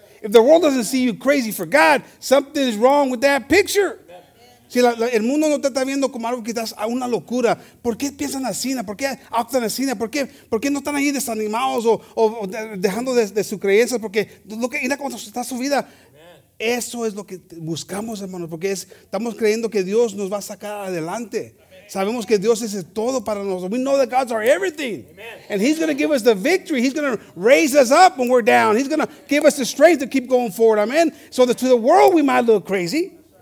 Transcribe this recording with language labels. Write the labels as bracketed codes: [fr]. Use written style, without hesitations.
[en] If the world doesn't see you crazy for God, something is wrong with that picture. [es] Si el mundo no te está viendo como algo que estás a una locura, ¿por qué piensan así? ¿Por qué actan así? ¿Por qué no están ahí desanimados o dejando de su creencia? Porque lo que mira cómo está su vida. Eso es lo que buscamos, hermanos, porque estamos creyendo que Dios nos va a sacar adelante. Sabemos que Dios es todo para nosotros. [en] We know that God's our everything. Amen. And he's going to give us the victory. He's going to raise us up when we're down. He's going to give us the strength to keep going forward. Amen. So that to the world we might look crazy.